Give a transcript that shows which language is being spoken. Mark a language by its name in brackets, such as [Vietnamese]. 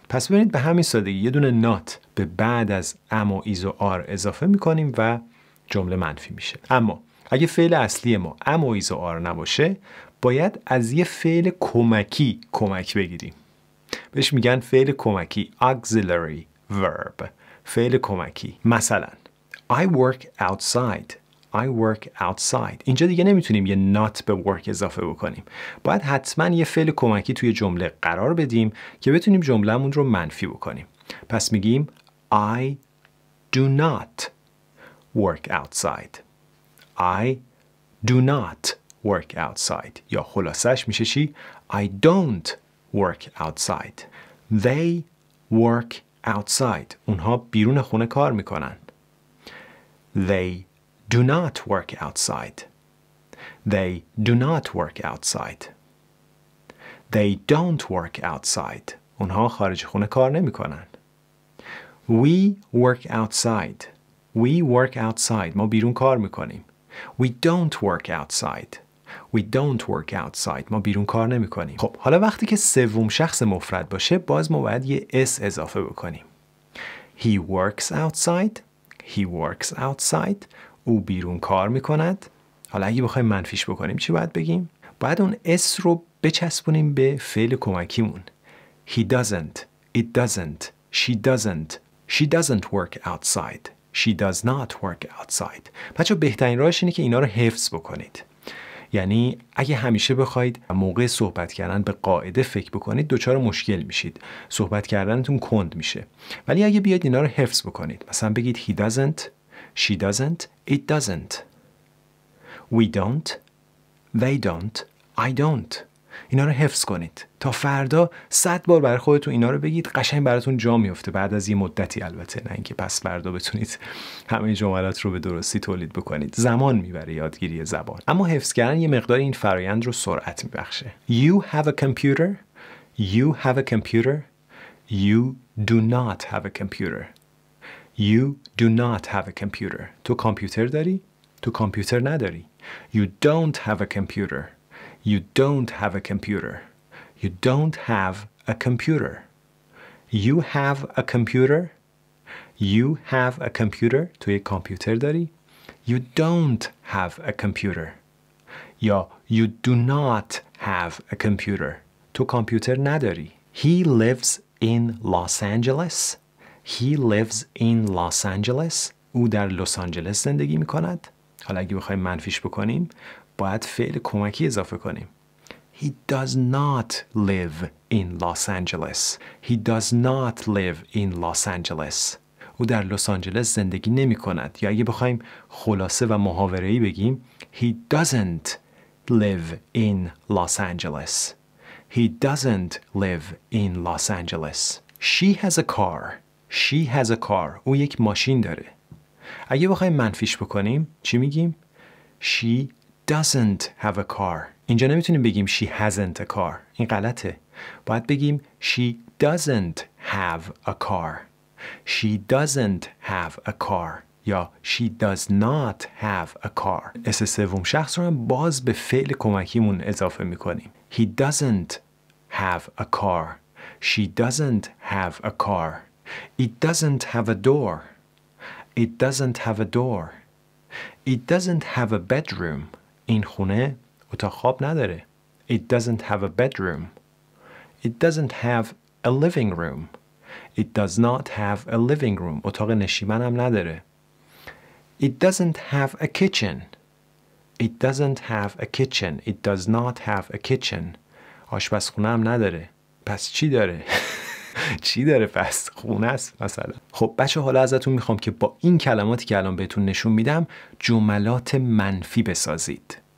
[Persian] پس ببینید به همین سادگی یه دونه not به بعد از am و is و are اضافه میکنیم و جمله منفی میشه. اما اگه فعل اصلی ما am و is و are نباشه، باید از یه فعل کمکی کمک بگیریم. بهش میگن فعل کمکی، auxiliary verb، فعل کمکی. [English] مثلا I work outside. I work outside. [Persian] اینجا دیگه نمیتونیم یه not به work اضافه بکنیم. باید حتما یه فعل کمکی توی جمله قرار بدیم که بتونیم جملهمون رو منفی بکنیم. پس میگیم [English] I do not work outside. I do not work outside. [Persian] یا خلاصش میشه چی؟ [English] I don't work outside. They work outside. [Persian] اونها بیرون خونه کار میکنن. [English] They do not work outside. They do not work outside. They don't work outside. [Persian] اونها خارج خونه کار نمیکنن. [English] We work outside. We work outside. [Persian] ما بیرون کار میکنیم. [English] We don't work outside. We don't work outside. [Persian] ما بیرون کار نمیکنیم. خب حالا وقتی که سوم شخص مفرد باشه، باز ما باید یه اس اضافه بکنیم. [English] He works outside. He works outside. [Persian] او بیرون کار میکند. حالا اگه بخوایم منفیش بکنیم چی باید بگیم؟ باید اون اس رو بچسبونیم به فعل کمکیمون. [English] He doesn't. It doesn't. She doesn't. She doesn't work outside. She does not work outside. [Persian] بچه بهترین راهش اینه که اینا رو حفظ بکنید. یعنی اگه همیشه بخواید موقع صحبت کردن به قاعده فکر بکنید، دوچار مشکل میشید. صحبت کردنتون کند میشه. ولی اگه بیاید اینا رو حفظ بکنید، مثلا بگید [English] He doesn't, She doesn't, It doesn't. We don't, They don't, I don't. [Persian] اینا رو حفظ کنید. تا فردا 100 بار برای خودتون اینا رو بگید، قشنگ براتون جا میفته. بعد از یه مدتی البته، نه اینکه پس فردا بتونید همه جملات رو به درستی تولید بکنید. زمان میبره یادگیری زبان، اما حفظ کردن یه مقدار این فرایند رو سرعت میبخشه. [English] You have a computer. You have a computer. You do not have a computer. You do not have a computer. [Persian] تو کامپیوتر داری؟ تو کامپیوتر نداری. [English] You don't have a computer. You don't have a computer. You don't have a computer. You have a computer. You have a computer. [Persian] تو یک کامپیوتر داری. [English] You don't have a computer. یا You do not have a computer. [Persian] تو کامپیوتر نداری. [English] He lives in Los Angeles. He lives in Los Angeles. [Persian] او در لس آنجلس زندگی میکند. حالا اگه بخوایم منفیش بکنیم باید فعل کمکی اضافه کنیم. [English] He does not live in Los Angeles. He does not live in Los Angeles. [Persian] او در لس آنجلس زندگی نمی کند. یا اگه بخوایم خلاصه و محاوره‌ای بگیم [English] He doesn't live in Los Angeles. He doesn't live in Los Angeles. She has a car. She has a car. [Persian] او یک ماشین داره. اگه بخوایم منفیش بکنیم چی میگیم؟ [English] She doesn't have a car. [Persian] اینجا نمیتونیم بگیم [English] she hasn't a car. [Persian] این غلطه. باید بگیم [English] she doesn't have a car. She doesn't have a car. یا she does not have a car. [Persian] اس سوم شخص رو هم باز به فعل کمکیمون اضافه میکنیم. [English] He doesn't have a car. She doesn't have a car. It doesn't have a door. It doesn't have a door. It doesn't have a bedroom. [Persian] این خونه اتاق خواب نداره. [English] It doesn't have a bedroom. It doesn't have a living room. It does not have a living room. [Persian] اتاق نشیمن هم نداره. [English] It doesn't have a kitchen. It doesn't have a kitchen. It does not have a kitchen. [Persian] آشپزخونه هم نداره. پس چی داره؟ چی داره پس؟ خونه است مثلا. خب بچه حالا ازتون میخوام که با این کلماتی که الان بهتون نشون میدم جملات منفی بسازید.